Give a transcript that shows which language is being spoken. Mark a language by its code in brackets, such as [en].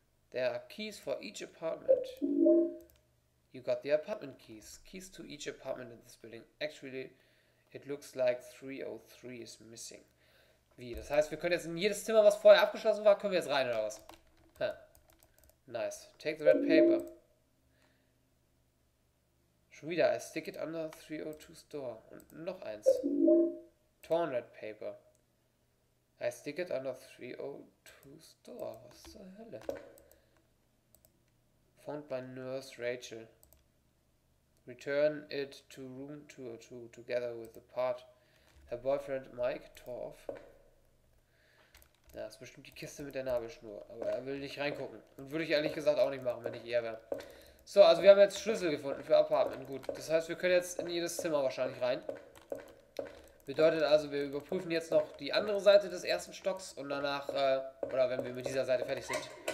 [en] There are keys for each apartment. You got the apartment keys. Keys to each apartment in this building. Actually, it looks like 303 is missing. [de] Wie, das heißt, wir können jetzt in jedes Zimmer, was vorher abgeschlossen war, können wir jetzt rein oder was? [en] Huh. Nice. Take the red paper. [de] Schon wieder, [en] I stick it under 302's door. [de] Und noch eins. [en] Torn red paper. I stick it under 302's door. [de] Was zur Hölle? [en] Found by Nurse Rachel. Return it to room 202 together with the part her boyfriend Mike tore off. [de] Ja, das ist bestimmt die Kiste mit der Nabelschnur. Aber er will nicht reingucken. Und würde ich ehrlich gesagt auch nicht machen, wenn ich eher wäre. So, also wir haben jetzt Schlüssel gefunden für Apartment. Gut, das heißt, wir können jetzt in jedes Zimmer wahrscheinlich rein. Bedeutet also, wir überprüfen jetzt noch die andere Seite des ersten Stocks und danach, oder wenn wir mit dieser Seite fertig sind.